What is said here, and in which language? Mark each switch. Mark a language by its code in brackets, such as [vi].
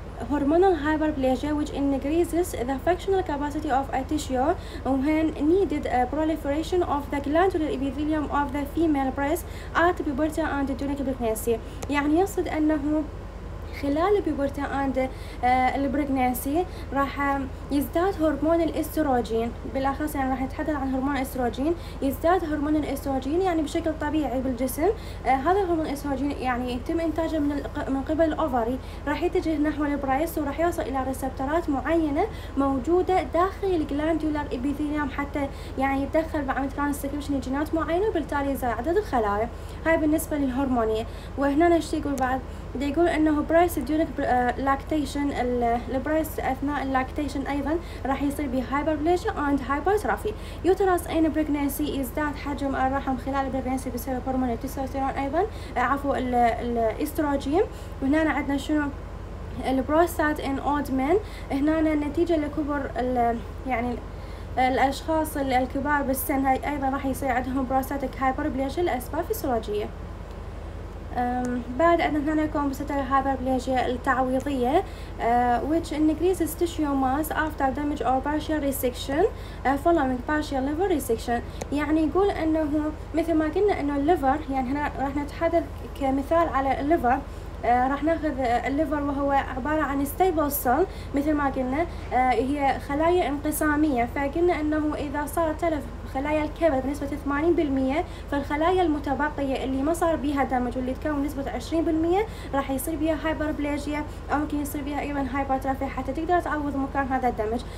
[en] Hormonal hyperplasia which increases the functional capacity of a tissue when needed a proliferation of the glandular epithelium of the female breast at puberty and during pregnancy. [ar] يعني يقصد انه خلال البيبرتي اند البريجنسي راح يزداد هرمون الاستروجين، بالاخص يعني راح نتحدث عن هرمون الاستروجين. يزداد هرمون الاستروجين يعني بشكل طبيعي بالجسم، هذا هرمون الاستروجين يعني يتم انتاجه من قبل الاوفري، راح يتجه نحو البريس وراح يوصل الى ريسبتورات معينه موجوده داخل الجلاندولار ابيثيليوم حتى يعني يتدخل بعمل ترانسكريبشن لجينات معينه وبالتالي يزداد عدد الخلايا. هاي بالنسبه للهرمونيه. وهنا ايش يقول بعد؟ دي يقول انه [en] price during lactation, [ar] البرايس اثناء اللاكتيشن ايضا راح يصير بهايبربليجيا اند هايبرترافي. يوتراس ان بريجنسي يزداد حجم الرحم خلال البريجنسي بسبب هرمون التستوستيرون ايضا عفوا الاستروجين. وهنا عندنا شنو البروستات ان اولد مان، هنا نتيجه لكبر يعني الاشخاص الكبار بالسن هاي ايضا راح يصير عندهم بروستاتيك هايبربليجيا لاسباب فيسيولوجيه. بعد عندنا هنا كومبنساتوري هايبربليجيا التعويضيه [en] which increases tissue mass after damage or partial resection following partial liver resection. [ar] يعني يقول انه مثل ما قلنا انه الليفر، يعني هنا راح نتحدث كمثال على الليفر، راح ناخذ الليفر وهو عباره عن ستيبل سيل مثل ما قلنا، هي خلايا انقساميه، فقلنا انه اذا صار تلف خلايا الكبد بنسبة 80% فالخلايا المتبقية اللي ما صار بيها دمج واللي تكون بنسبة 20% راح يصير بيها هايبربليجيا، أو ممكن يصير بيها أيضا هايبرترافيا حتى تقدر تعوض مكان هذا الدمج.